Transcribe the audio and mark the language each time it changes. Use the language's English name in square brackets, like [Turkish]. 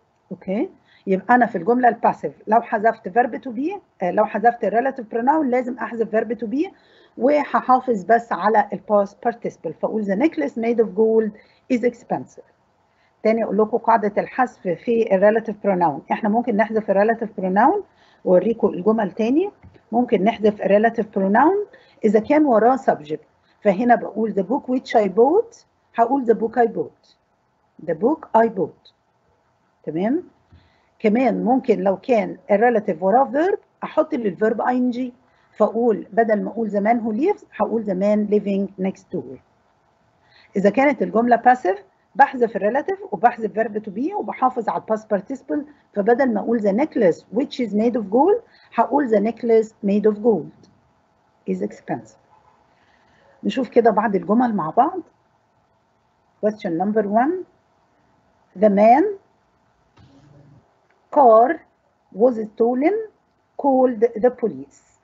[Arabic] اوكي يبقى انا في الجملة الباسيف لو حذفت verb to be، لو حذفت relative pronoun لازم احذف verb to be وهحافظ بس على الباست بارتيسيبل. فاقول [English] the necklace made of gold is expensive. [Arabic] تاني اقول لكم قاعدة الحذف في الريلاتيف pronoun. احنا ممكن نحذف الريلاتيف pronoun ووريكم الجمل تاني. ممكن نحذف الريلاتيف pronoun اذا كان وراه subject. فهنا بقول [English] the book which I bought [Arabic] هقول [English] the book I bought. The book I bought. [Arabic] تمام؟ كمان ممكن لو كان الريلاتيف وراه verb احط للverb ing. فاقول بدل ما اقول [English] the man who lives [Arabic] هقول [English] the man living next to her. [Arabic] اذا كانت الجملة passive بحذف الريلاتيف وبحذف verb to be وبحافظ على past participle. فبدل ما اقول [English] the necklace which is made of gold [Arabic] هقول [English] the necklace made of gold is expensive. [Arabic] نشوف كده بعض الجمل مع بعض. [English] Question number one. The man car was stolen called the police.